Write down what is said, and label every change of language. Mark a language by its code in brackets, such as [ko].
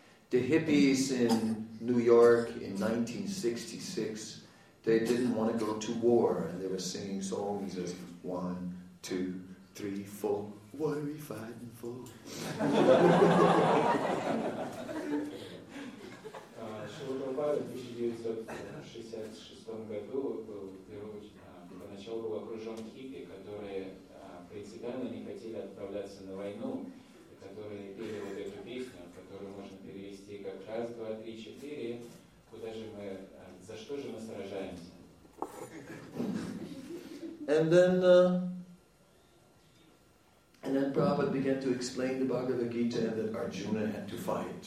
[en] The hippies in New York in 1966, they didn't want to go to war, and they were singing songs as 1, 2, 3, 4, what are we fighting for? [ru] Шрила Прабхупада в 1966 году поначалу был окружен хиппи, которые принципиально не хотели отправляться на войну, которые пели вот эту песню, которую можно перевести как 1, 2, 3, 4, куда же мы, за что же мы сражаемся? [en] And then Prabhupada began to explain the Bhagavad Gita and that Arjuna had to fight.